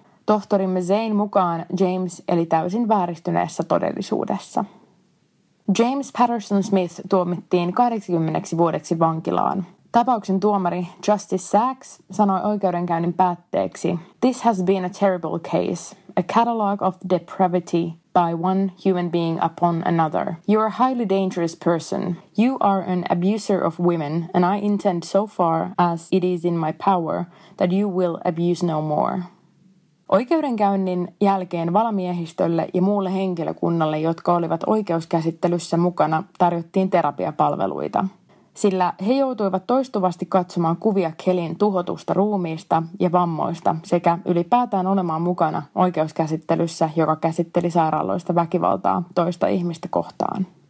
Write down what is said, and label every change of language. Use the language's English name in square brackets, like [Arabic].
[Finnish] Tohtori Mezein mukaan James eli täysin vääristyneessä todellisuudessa. James Patterson Smith tuomittiin 80 vuodeksi vankilaan. Tapauksen tuomari Justice Sachs sanoi oikeudenkäynnin päätteeksi, [English] "This has been a terrible case. A catalogue of depravity by one human being upon another. You are a highly dangerous person. You are an abuser of women, and I intend so far as it is in my power that you will abuse no more." [Finnish] Oikeudenkäynnin jälkeen valamiehistölle ja muulle henkilökunnalle, jotka olivat oikeuskäsittelyssä mukana, tarjottiin terapiapalveluita. Sillä he joutuivat toistuvasti katsomaan kuvia Kellyn tuhotusta ruumiista ja vammoista sekä ylipäätään olemaan mukana oikeuskäsittelyssä, joka käsitteli sairaaloista väkivaltaa toista ihmistä kohtaan.